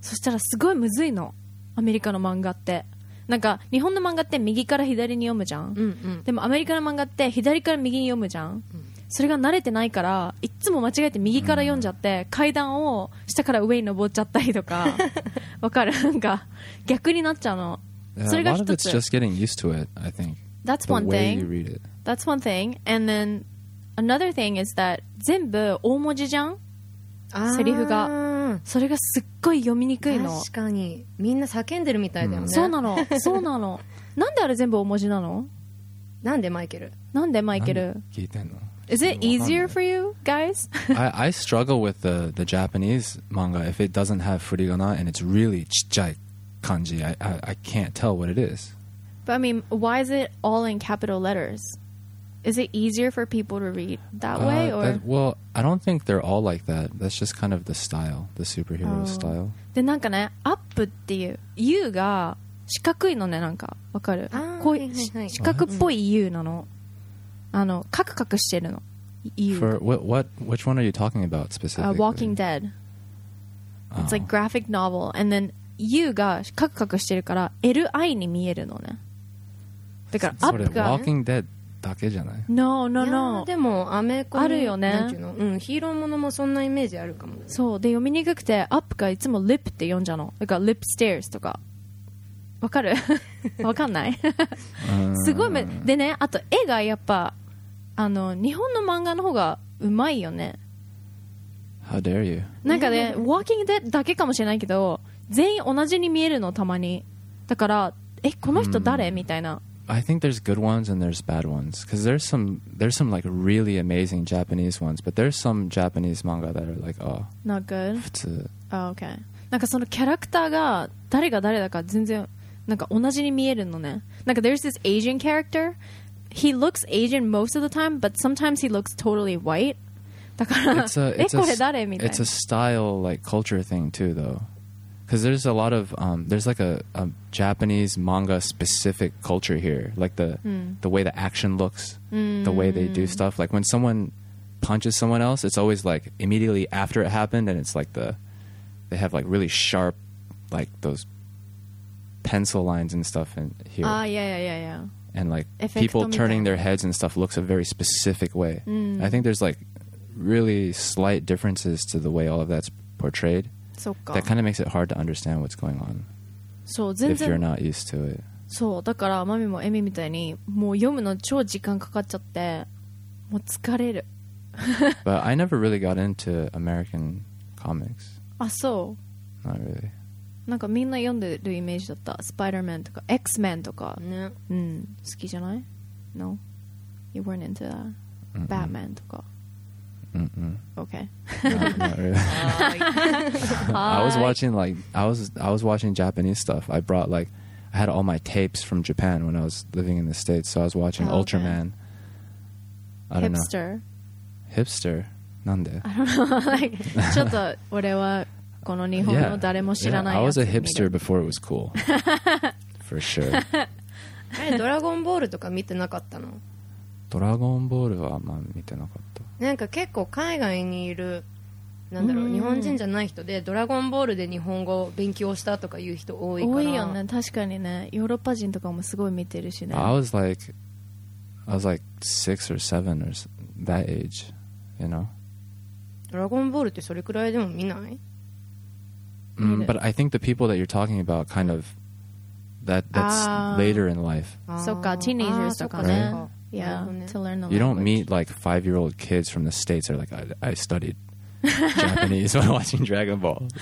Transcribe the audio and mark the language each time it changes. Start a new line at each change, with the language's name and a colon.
Japanese: そしたらすごいむずいの、アメリカの漫画って。なんか日本の漫画って右から左に読むじゃん、うんうん、でもアメリカの漫画って左から右に読むじゃん、うん、それが慣れてないからいつも間違えて右から読んじゃって、うん、階段を下から上に登っちゃったりとかわかる、なんか逆になっちゃうの。
English: yeah,
Japanese: それが一つ。
English: A lot of it's just getting used to it, I think. That's one thing. The way you read it. That's one thing. And thenAnother thing is that
Japanese: 全部大文字じゃん、セリフが。それがすっごい読みにくいの。確かに、みんな叫んでるみたいだよね、うん、そうなの、そうなのなんであれ全部大文字なの。なんでマイケル、なんでマイケル聞いてんの。
English: Is it easier for you guys? I struggle with the Japanese manga if it doesn't have furigana and it's really
Japanese: ちっちゃい漢字。
English: I can't tell what it is. But I mean, why is it all in capital lettersIs it easier for people to read that way? Or? That, well, I don't think they're all like that. That's just kind of the style, the superhero、oh. style.
Japanese: で、なんかね、up っていう、U が四角いのね、なんか、わかる？あ、こはいはいはい、四角っぽい U なの。あの、カクカクしてるの。 U。
English: For, which one are you talking about specifically? Walking Dead. It's、oh. like graphic novel.
Japanese: And then U がカクカクしてるから、LI に見えるのね。だから、up が。 Walking Dead. だけじゃない。
English: No, no, no. いや
Japanese: でもアメコミあるよね。なんていうの、うん、ヒーローものもそんなイメージあるかも、ね。そうで読みにくくて、アップがいつもリップって読んじゃうの。だからリップステアスとか。わかる？わかんない？すごいめでね、あと絵がやっぱあの日本の漫画の方がうまいよね。
English: How dare you？
Japanese: なんかね、Walking Dead だけかもしれないけど、全員同じに見えるのたまに。だからえこの人誰、mm. みたいな。
English: I think there's good ones and there's bad ones. Because there's some like really amazing Japanese ones, but there's some Japanese manga that are like, oh. Not good?
Japanese: 普通。
English: Oh, okay.
Japanese: なんかそのキャラクターが誰が誰だか全然なんか同じに見えるのね。
English: なんか there's this Asian character. He looks Asian most of the time, but sometimes he looks totally white.
Japanese: だから、これ誰みたいな。
English: It's a style, like culture thing too, though. Because there's a lot of, there's like a Japanese manga specific culture here. Like the way the action looks, the way they do stuff. Like when someone punches someone else, it's always like immediately after it happened. And it's like they have like really sharp, like those pencil lines and stuff in here. Ah, yeah. And like people turning their heads and stuff looks a very specific way. I think there's like really slight differences to the way all of that's portrayed.
Japanese: そっか。
English: That kind of makes it hard to understand what's going on.
Japanese: そう、全然。
English: If you're not used to it.
Japanese: そう、だからマミもエミみたいにもう読むの超時間かかっちゃって、もう疲れる。
English: But I never really got into American comics.
Japanese: あ、そう。
English: Not really.
Japanese: なんかみんな読んでるイメージだった。スパイダーマンとか X メンとか、ね、うん、好きじゃない ？
English: No, you weren't into that.
Japanese: Batman とか。
English: Okay. I was watching like I was watching Japanese stuff. I brought like I had all my tapes from Japan when I was living in the States. So I was watching Ultraman. I don't know. Hipster. Hipster.
Japanese: なんで?
English: I don't know.
Japanese: Like, ちょっと俺はこの日本の誰も知らない。
English: I was a hipster before it was cool. For sure.
Japanese: え、ドラゴンボールとか見てなかったの? ドラゴンボールはあんま見てなかった。なんか結構海外にいる、なんだろう、日本人じゃない人でドラゴンボールで日本語を勉強したとかいう人多いから。多いよね、確かにね。ヨーロッパ人とかもすごい見てるしね。
English: I was like 6 or 7 or that age, you know.
Japanese: ドラゴンボールってそれくらいでも見ない、
English: But I think the people that you're talking about kind of that's later in life.
Japanese: そっか、teenagers とかね。
English: Yeah, to learn the language. You don't meet like 5-year-old kids from the States that are like, I studied Japanese while watching Dragon Ball.